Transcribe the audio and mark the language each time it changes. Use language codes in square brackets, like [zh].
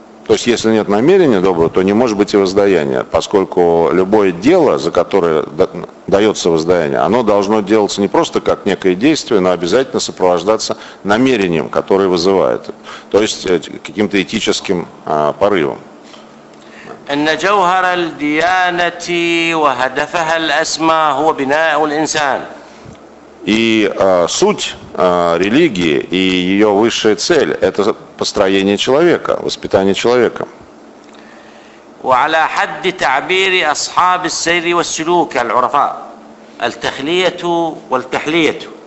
[ru] То есть, если нет намерения доброго, то не может быть и воздаяния, поскольку любое дело, за которое дается воздаяние, оно должно делаться не просто как некое действие, но обязательно сопровождаться намерением, которое вызывает, то есть каким-то этическим порывом. [ar] أن جوهر الديانة وهدفها الأسمى هو بناء الإنسان. [ru] И суть религии и ее высшая цель – это построение человека, воспитание человека. [ar] وعلى حد تعبير أصحاب السير والسلوك العرفاء التخلية والتحلية.